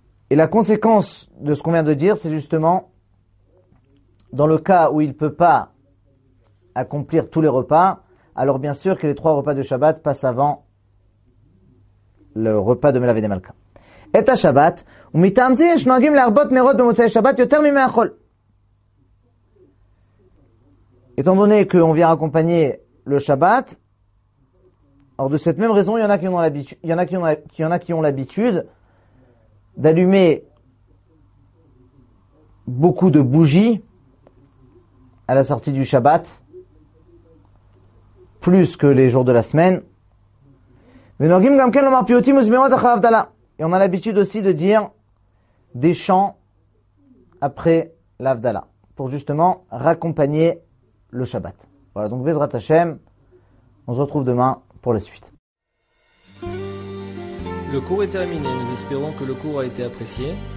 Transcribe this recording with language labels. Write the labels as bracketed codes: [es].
[fr] Et la conséquence de ce qu'on vient de dire, c'est justement, dans le cas où il ne peut pas accomplir tous les repas, alors bien sûr que les trois repas du Shabbat passent avant le repas de Melavé des Malka. Et à Shabbat, [he] ומטעם זה יש נוהגים להרבות נרות במוצאי שבת יותר ממאכול. [fr] Étant donné qu'on vient accompagner le Shabbat, or de cette même raison, il y en a qui ont l'habitude d'allumer beaucoup de bougies à la sortie du Shabbat, plus que les jours de la semaine. [he] Mais נוהגים גם כן לומר פיוטים וזמירות אחרי ההבדלה. [fr] Et on a l'habitude aussi de dire des chants après l'Avdala, pour justement raccompagner le Shabbat. Voilà, donc Bezrat Hashem, on se retrouve demain pour la suite. Le cours est terminé, nous espérons que le cours a été apprécié.